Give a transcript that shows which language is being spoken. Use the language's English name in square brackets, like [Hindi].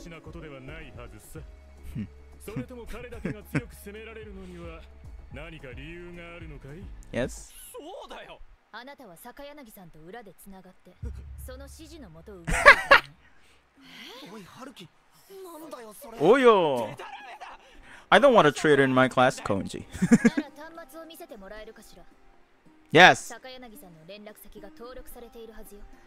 [Japanese] それとも彼だけが強く攻められるのには何か理由があるのかい [English] ？Yes。 [Japanese] そうだよ。あなたは坂柳さんと裏でつながって、その指示のもと動いた。おい、春樹、なんだよそれ。およ。 [English] I don't want a traitor in my class, Konji. [Japanese] なら端末を見せてもらえるかしら。 [English] Yes。 [Japanese] 坂柳さんの連絡先が登録されているはずよ。